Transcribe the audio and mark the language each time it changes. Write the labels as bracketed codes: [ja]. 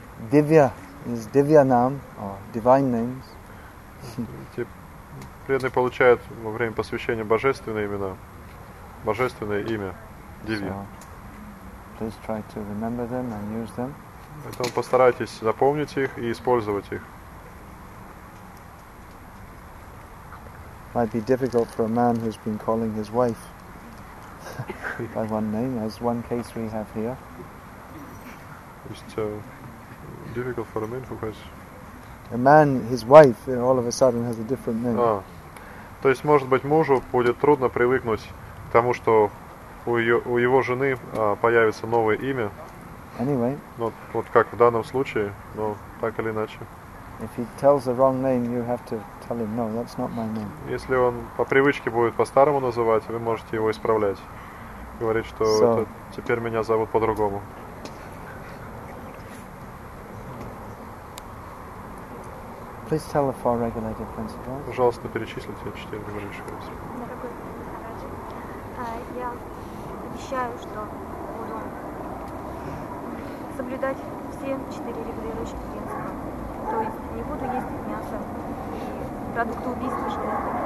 [en] Дивья. Is Divya Nam or divine names? [ru] Преданный получает во время посвящения божественные имена, божественное имя Дивья. [en] Please try to remember them and use them. [ru] Поэтому постарайтесь запомнить их и использовать их. [en] Might be difficult for a man who's been calling his wife by one name, as one case we have here. Difficult for a man who has a man, his wife, you know, all of a sudden has a different name. [ru] То есть, может быть, мужу будет трудно привыкнуть к тому, что у его жены появится новое имя. [en] Anyway. [ru] Но вот как в данном случае, но так или иначе. [en] If he tells the wrong name, you have to tell him, no, that's not my name. [ru] Если он по привычке будет по старому называть, вы можете его исправлять, говорить, что теперь меня зовут по-другому. [en] Please tell the four regulative principles. [ru] Пожалуйста, перечислите четыре выражающих принципа. обещаю, что буду соблюдать все четыре регулирующих принципа. То есть не буду есть мясо и продукты убийства животных.